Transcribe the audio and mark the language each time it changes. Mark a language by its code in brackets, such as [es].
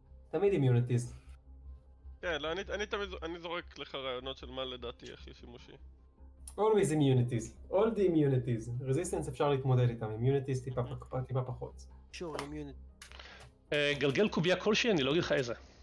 [he] תמיד immunities. כן, לא, אני תמיד, אני זורק לך רעיונות של מה לדעתי הכי שימושי. [en] Always immunities, all the immunities. [he] Resistance אפשר להתמודד איתם, immunities טיפה פחות. [en] Sure, immunities. [he] גלגל קוביה כלשהי, אני לא אגיד לך איזה.